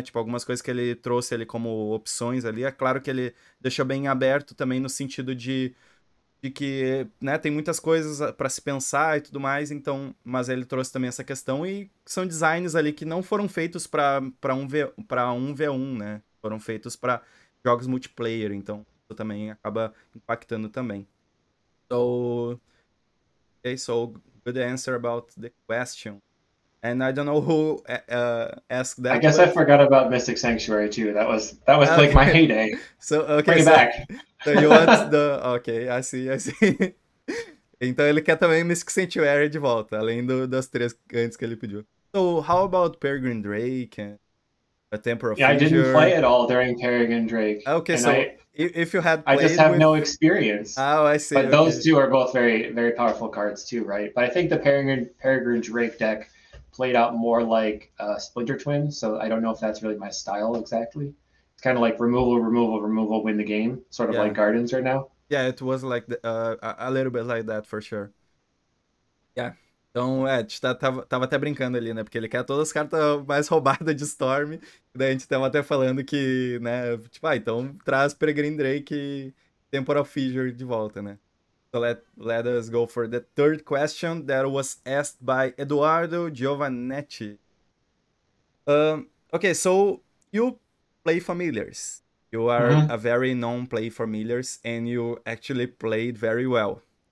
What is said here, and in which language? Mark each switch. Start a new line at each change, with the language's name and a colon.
Portuguese: Tipo, algumas coisas que ele trouxe ali como opções ali. É claro que ele deixou bem aberto também no sentido de que, né, tem muitas coisas para se pensar e tudo mais, então, mas ele trouxe também essa questão e são designs ali que não foram feitos para 1v1, né? Foram feitos para jogos multiplayer, então isso também acaba impactando também.
English: So, okay, so good answer about the question. And I don't know who asked that. I guess, but I forgot about Mystic Sanctuary too. That was okay. Like my heyday. So, okay, bring it back. So you want the... Okay, I see.
Portuguese: Então ele quer também Mystic Sanctuary de volta, além das três antes que ele pediu.
English: So how about Peregrine Drake and a Temple of Fissure? Yeah, Fissure? I didn't play at all during Peregrine Drake. Okay, so if you had played, I just have no experience. Oh, I see. But okay. Those two are both very, very powerful cards too, right? But I think the Peregrine Drake deck played out more like Splinter Twin, so I don't know if that's really my style exactly. It's kind of like removal, win the game, sort of, yeah. Like Gardens right now. Yeah, it was like a little bit like that for sure. Yeah.
Portuguese: Então, a gente tava até brincando ali, né? Porque ele quer todas as cartas mais roubadas de Storm. Daí a gente tava até falando que, né? Tipo, então traz Peregrine Drake e Temporal Fissure de volta, né?
English: So let us go for the third question that was asked by Eduardo Giovannetti. Okay, so you play familiars. You are a very known play familiars and you actually played very well.